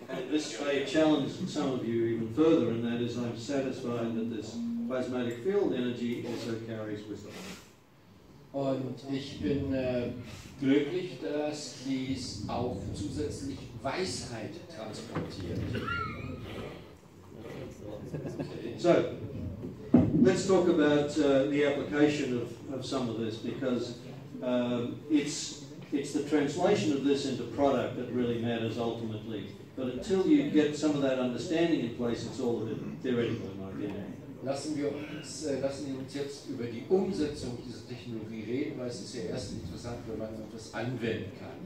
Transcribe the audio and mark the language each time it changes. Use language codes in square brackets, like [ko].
[en] And this may challenge some of you even further, and that is I'm satisfied that this plasmatic field energy also carries wisdom. [de] Und ich bin glücklich, dass dies auch zusätzlich Weisheit transportiert. [en] So, let's talk about the application of some of this, because it's the translation of this into product that really matters ultimately. But until you get some of that understanding in place, it's all a bit theoretical, in my opinion. [de] Lassen wir uns jetzt über die Umsetzung dieser Technologie reden, weil es ist ja erst interessant, wenn man das anwenden kann.